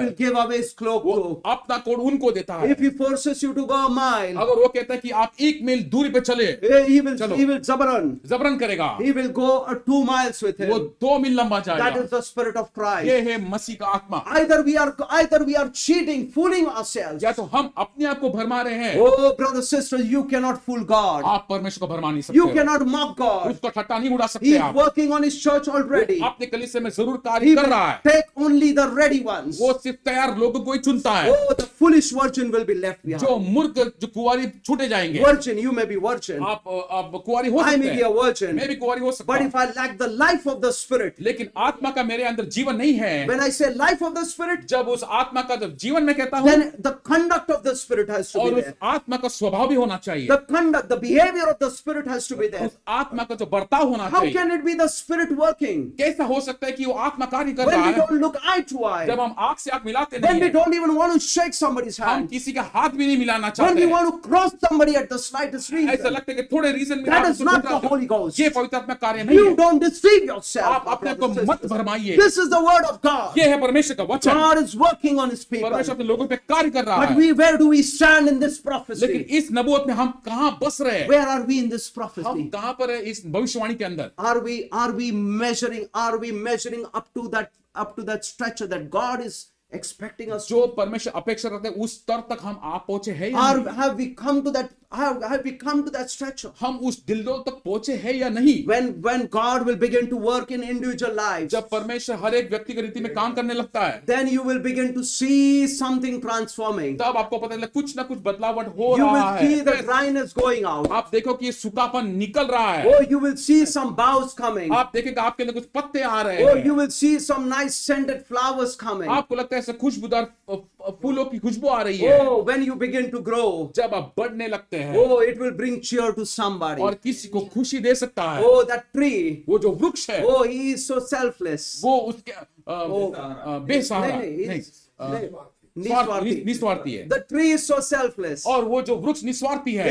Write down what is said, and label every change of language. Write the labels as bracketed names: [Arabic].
[English] he will give away his cloak. [Hindi] वो अपना coat उनको देता है. [English] If he forces you to go a mile, [Hindi] अगर वो कहता है कि आप एक मील दूरी पे चले, [English] he will [Hindi] जबरन करेगा. [English] He will go 2 miles with him. [Hindi] वो 2 मील लंबा जाएगा. [English] That is the spirit of Christ. [Hindi] ये है मसीह का आत्मा. [English] Either we are cheating, fooling ourselves. [Hindi] या तो हम अपने आप को भरमा रहे हैं. [English] Oh, brother, sister, you cannot fool God. [Hindi] आप परमेश्वर को भरमा नहीं सकते. [English] You cannot mock God. [Hindi] उसको ठट्टा नहीं उड़ा सकते. [English] He is working on his church already. [Hindi] अपने कलीसे में जरूर कार्य कर रहा है. [English] Take only the ready ones. [Hindi] वो सिर्फ तैयार लोगों को ही चुनता है. [English] Oh, the foolish virgin will be left behind. [Hindi] जो मूर्ख जो कुवारी छूटे जाएंगे. [English] Virgin, you may be virgin. [Hindi] आप कुवारी हो सकते हैं. [English] I may be a virgin. [Hindi] मैं भी कुवारी हो सकता हूं. [English] But if I lack the life of the spirit, [Hindi] लेकिन आत्मा का मेरे अंदर जीवन नहीं है. [English] When I say life of the spirit, [Hindi] जब उस आत्मा का जब जीवन में कहता हूं, [English] then the conduct of the spirit has to be there. [Hindi] उस आत्मा का स्वभाव भी होना चाहिए. [English] The conduct, the behavior of the spirit has to be there. [Hindi] उस आत्मा का जो बर्ताव होना चाहिए. [English] How can it be the spirit working? [Hindi] कैसा हो सकता है कि वो आत्मा कार्य कर रहा है? [English] When we don't look eye to eye. [Hindi] जब हम आंख से आंख मिलाते नहीं. [English] When we don't even want to shake somebody's hand. [Hindi] हम किसी का हाथ भी नहीं मिलाना चाहते. [English] When we want to cross somebody at the slightest reason. [Hindi] ऐसा लगता है कि थोड़े रीजन में [English] that is not the Holy Ghost. [Hindi] ये पवित्र आत्मा कार्य नहीं है. [English] You don't deceive yourself. [Hindi] आप अपने को मत भरमाइए. [English] This is the word of God. [Hindi] ये है परमेश्वर का वचन. [English] God is working on his people. [Hindi] परमेश्वर अपने लोगों पे कार्य कर रहा है. [English] But where do we stand in this prophecy? [Hindi] लेकिन इस नबूवत में हम कहां बस रहे हैं? [English] Where are we in this prophecy? [Hindi] हम कहां पर हैं इस भविष्यवाणी के अंदर? [English] Are we measuring up to that stretch that God is expecting us? [Hindi] जो परमेश्वर अपेक्षा करते हैं उस स्तर तक हम आ पहुंचे हैं? [English] Have we come to that stretch? [Hindi] हम उस दिलदोल तक पहुंचे हैं या नहीं? [English] When God will begin to work in individual lives, [Hindi] जब परमेश्वर हर एक व्यक्ति की रीति में काम करने लगता है, [English] then you will begin to see something transforming. [Hindi] तब आपको पता चलेगा कुछ ना कुछ बदलाव हो [English] you [Hindi] रहा [English] will [Hindi] है. [English] See the dryness going out. [Hindi] आप देखो कि ये सूखापन निकल रहा है. [English] Oh, you will see some boughs coming. [Hindi] आप देखेगा आपके लिए कुछ पत्ते आ रहे हैं. [English] Oh, you will see some nice scented flowers coming. [Hindi] आपको लगता है ऐसे खुशबूदार फूलों की खुशबू आ रही है. [English] Oh, when you begin to grow, [Hindi] जब आप बढ़ने लगते हैं. [English] Oh, it will bring cheer to somebody. [Hindi] और किसी को खुशी दे सकता है. [English] Oh, that tree. [Hindi] वो जो वृक्ष है. [English] Oh, he is so selfless. [Hindi] वो उसके बेसहारा. निस्वार्थी है. [English] The tree is so selfless. [Hindi] और वो जो वृक्ष निस्वार्थी है.